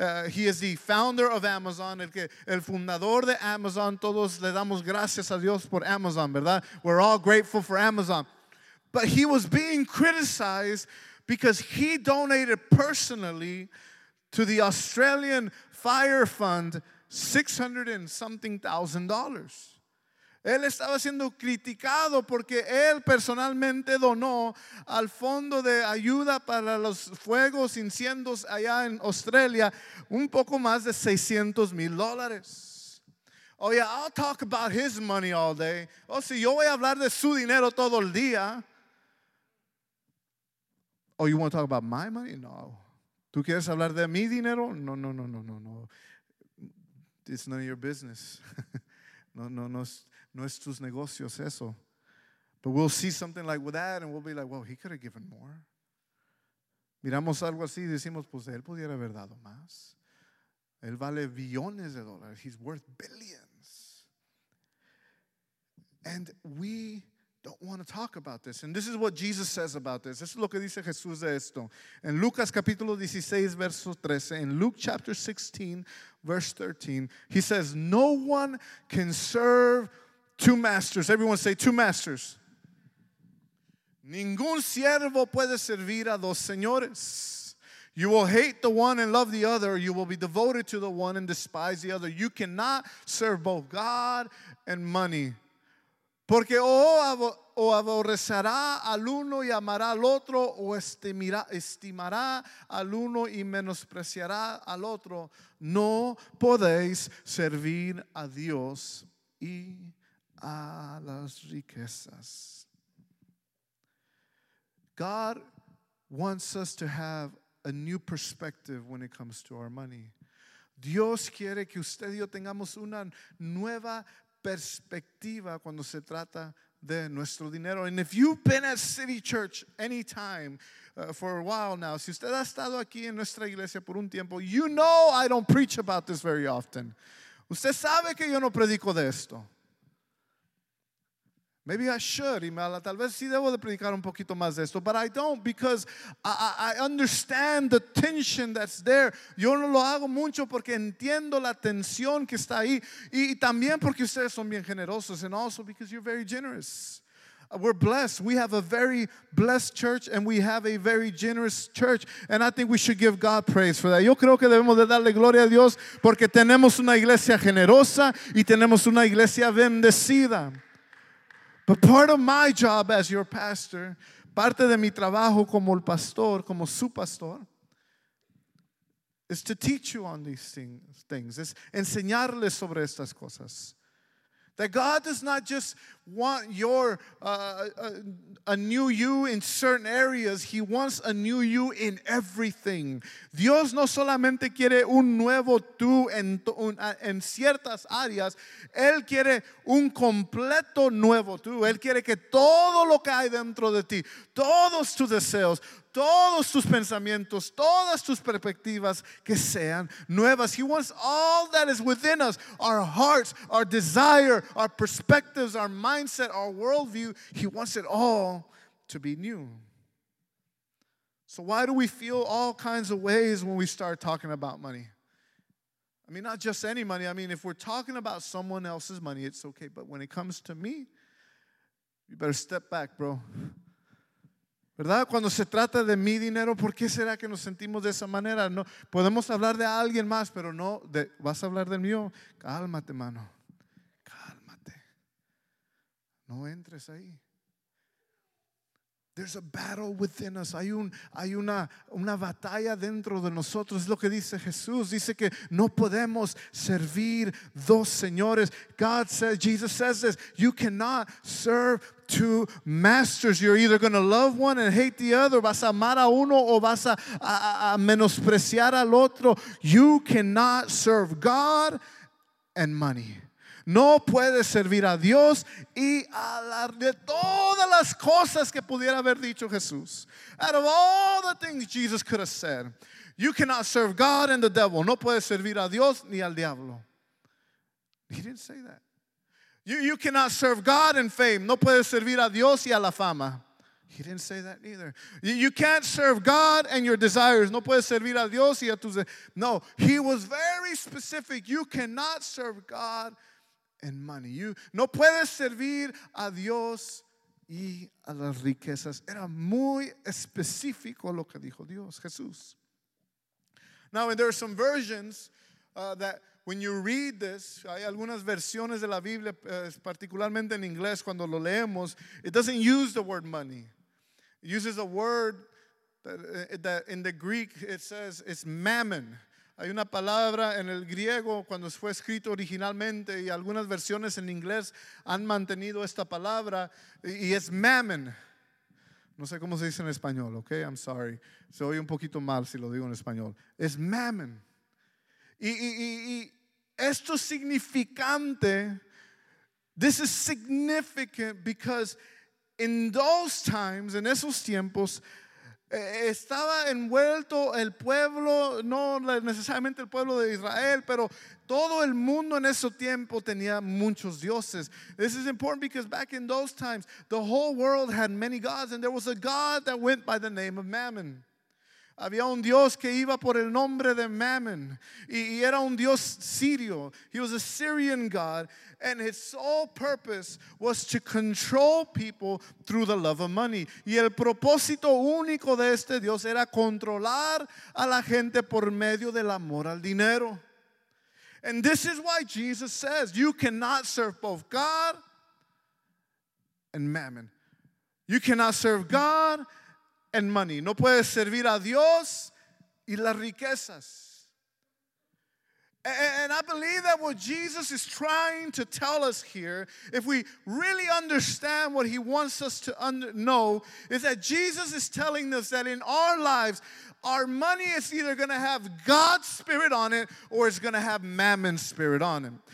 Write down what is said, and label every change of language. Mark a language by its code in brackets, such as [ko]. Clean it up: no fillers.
[en] He is the founder of Amazon, [es] el fundador de Amazon. Todos le damos gracias a Dios por Amazon. [en] We're all grateful for Amazon. But he was being criticized because he donated personally to the Australian Fire Fund $600,000+. [es] Él estaba siendo criticado porque él personalmente donó al fondo de ayuda para los fuegos incendios allá en Australia un poco más de $600,000. [en] Oh yeah, I'll talk about his money all day. [es] Oh, sí, yo voy a hablar de su dinero todo el día. [en] Oh, you want to talk about my money? [es] No. ¿Tú quieres hablar de mi dinero? No, no, no, no, no, no. [en] It's none of your business. [es] No es tus negocios eso. [en] But we'll see something like with that, and we'll be like, well, he could have given more. [es] Miramos algo así y decimos, pues él pudiera haber dado más. Él vale billones de dólares. [en] He's worth billions. And we don't want to talk about this. And this is what Jesus says about this. This is [es] lo que dice Jesús de esto. En Lucas capítulo 16, verso 13. [en] In Luke chapter 16, verse 13. He says, no one can serve two masters. Everyone say two masters. [es] Ningún siervo puede servir a dos señores. [en] You will hate the one and love the other. You will be devoted to the one and despise the other. You cannot serve both God and money. [es] Porque o aborrecerá al uno y amará al otro, o estimará al uno y menospreciará al otro. No podéis servir a Dios y a las riquezas. [en] God wants us to have a new perspective when it comes to our money. [es] Dios quiere que usted y yo tengamos una nueva perspectiva cuando se trata de nuestro dinero. [en] And if you've been at City Church anytime for a while now, [es] si usted ha estado aquí en nuestra iglesia por un tiempo, [en] you know I don't preach about this very often. [es] Usted sabe que yo no predico de esto. [en] Maybe I should, Imala. [es] Tal vez sí debo de predicar un poquito más de esto. [en] But I don't, because I understand the tension that's there. [es] Yo no lo hago mucho porque entiendo la tensión que está ahí. Y también porque ustedes son bien generosos. [en] And also because you're very generous. We're blessed. We have a very blessed church, and we have a very generous church. And I think we should give God praise for that. [es] Yo creo que debemos de darle gloria a Dios porque tenemos una iglesia generosa y tenemos una iglesia bendecida. [en] But part of my job as your pastor, [es] parte de mi trabajo como el pastor, como su pastor, [en] is to teach you on these things, [es] es enseñarles sobre estas cosas. [en] That God does not just want your a new you in certain areas. He wants a new you in everything. [es] Dios no solamente quiere un nuevo tú en ciertas áreas. Él quiere un completo nuevo tú. Él quiere que todo lo que hay dentro de ti, todos tus deseos, todos tus pensamientos, todas tus perspectivas que sean nuevas. [en] He wants all that is within us, our hearts, our desire, our perspectives, our mindset, our worldview. He wants it all to be new. So why do we feel all kinds of ways when we start talking about money? I mean, not just any money. I mean, if we're talking about someone else's money, it's okay. But when it comes to me, you better step back, bro. [es] ¿Verdad? Cuando se trata de mi dinero, ¿por qué será que nos sentimos de esa manera? No, podemos hablar de alguien más, pero no, de, ¿vas a hablar del mío? Cálmate, mano. Cálmate. No entres ahí. [en] There's a battle within us. [es] Hay una batalla dentro de nosotros. Es lo que dice Jesús. Dice que no podemos servir dos señores. [en] God says, Jesus says this, you cannot serve two masters. You're either going to love one and hate the other. [es] Vas a amar a uno o vas a menospreciar al otro. [en] You cannot serve God and money. [es] No puedes servir a Dios y hablar de todas las cosas que pudiera haber dicho Jesús. [en] Out of all the things Jesus could have said, you cannot serve God and the devil. [es] No puedes servir a Dios ni al diablo. [en] He didn't say that. You cannot serve God and fame. [es] No puedes servir a Dios y a la fama. [en] He didn't say that either. You can't serve God and your desires. [es] No puedes servir a Dios y a tus desires. [en] No, he was very specific. You cannot serve God and money. [es] You no puedes servir a Dios y a las riquezas. Era muy específico lo que dijo Dios, Jesús. [en] Now, and there are some versions that when you read this, [es] hay algunas versiones de la Biblia, particularmente en inglés, cuando lo leemos, [en] it doesn't use the word money. It uses a word that in the Greek it says it's mammon. [es] Hay una palabra en el griego cuando fue escrito originalmente y algunas versiones en inglés han mantenido esta palabra y es mammon. No sé cómo se dice en español, okay? [en] I'm sorry. [es] Se oye un poquito mal si lo digo en español. Es mammon. Y esto es significante. [en] This is significant because in those times, [es] en esos tiempos, estaba envuelto el pueblo, no necesariamente el pueblo de Israel, pero todo el mundo en ese tiempo tenía muchos dioses. [en] This is important because back in those times, the whole world had many gods, and there was a god that went by the name of Mammon. [es] Había un dios que iba por el nombre de Mammon, y era un dios sirio. [en] He was a Syrian god, and his sole purpose was to control people through the love of money. [es] Y el propósito único de este dios era controlar a la gente por medio del amor al dinero. [en] And this is why Jesus says, you cannot serve both God and Mammon. You cannot serve God and money. [es] No puedes servir a Dios y las riquezas. [en] And I believe that what Jesus is trying to tell us here, if we really understand what he wants us to know, is that Jesus is telling us that in our lives, our money is either going to have God's spirit on it or it's going to have mammon's spirit on it.